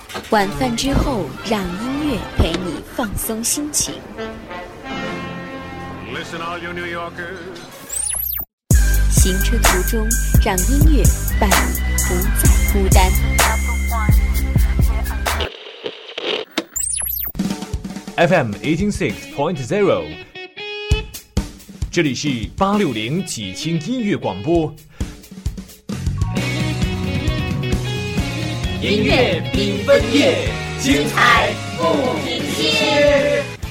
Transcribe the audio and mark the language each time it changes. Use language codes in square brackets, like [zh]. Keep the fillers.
[zh] 晚饭之后，让音乐陪你放松心情。 [en] Listen, all you New Yorkers. [zh] 行车途中，让音乐伴你不再孤单。 FM e i g h point zero，这里是八六零启清音乐广播。音乐缤纷夜，精彩不停歇。